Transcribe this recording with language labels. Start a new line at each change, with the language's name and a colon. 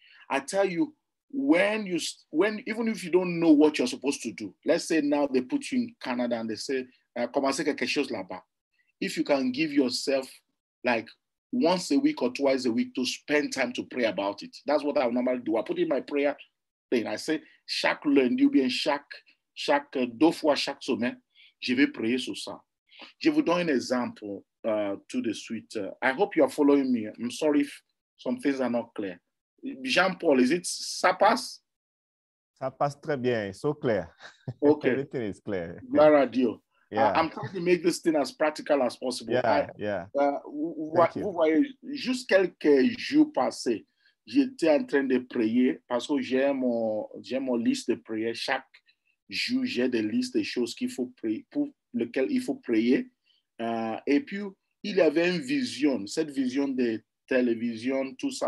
English: I tell you, even if you don't know what you're supposed to do, let's say now they put you in Canada and they say,
French: commencer quelque chose là-bas.
English: If you can give yourself like once a week or twice a week to spend time to pray about it, that's what I normally do. I put in my prayer thing. I say,
French: chaque lundi ou bien chaque deux fois chaque semaine, je vais prier sur ça. Je vous donne un exemple
English: to the suite. I hope you are following me. I'm sorry if some things are not clear. Jean-Paul, is it,
French: ça passe? Ça passe très bien,
English: so clear. Okay. Everything is clear. Glory to you. Yeah. I'm trying to make this thing as practical as possible. Yeah,
French: Vous voyez, juste quelques jours passés, j'étais en train de prier parce que j'ai mon liste de prières. Chaque jour, j'ai des listes de choses qu'il faut prier, pour lesquelles il faut prier. Et puis, il y avait une vision, cette vision de télévision, tout ça.